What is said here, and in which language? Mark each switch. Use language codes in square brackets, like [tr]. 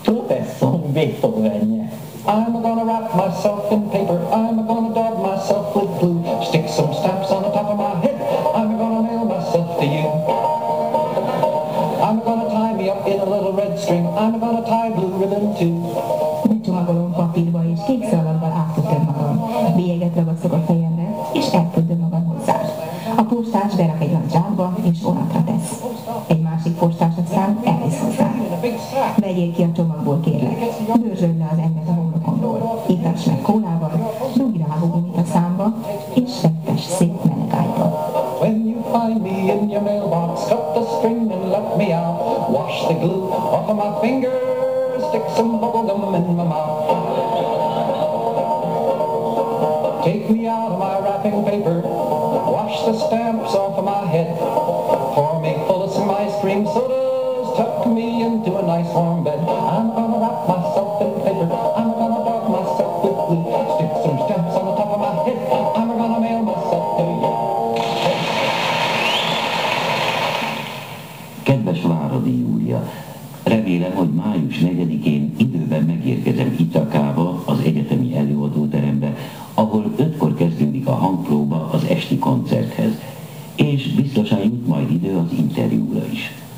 [en] I'm gonna wrap myself in paper, I'm gonna daub myself with glue, stick some stamps on the top of my head, I'm gonna mail myself to you. I'm gonna tie me up in a little red string, I'm gonna tie blue ribbon too. [hu] Becsomagolom papírba és kék szalaggal áttudtam magam. Bélyeget ragasztok a fejemre, és elküldöm magam hozzá. A postás berak egy nagy zsákba, és vonatra tesz. Egy másik postásat szám elvisz hozzá. Vegyél ki a csomagból, kérlek. Dörzsöld le az enyvet a homlokomról. Ittass meg kólával, dugj rá a gumit a számba, és fektess szép meleg ágyba. [en] When you find me in your mailbox, cut the string and let me out. Wash the glue off of my finger. Stick some bubblegum in my mouth. Take me out of my wrapping paper. Wash the stamps off of my head. Pour me full of some ice cream sodas. Tuck me into a nice warm bed. I'm gonna wrap myself in paper. I'm gonna dark myself with glue. Stick some stamps on the top of my head. I'm gonna mail myself to you. [hu] Kedves Váradi Júlia, remélem, hogy május 4-én időben megérkezem Ithakába, az egyetemi előadóterembe, ahol 5-kor kezdődik a hangpróba az esti koncerthez, és biztosan jut majd idő az interjúra is.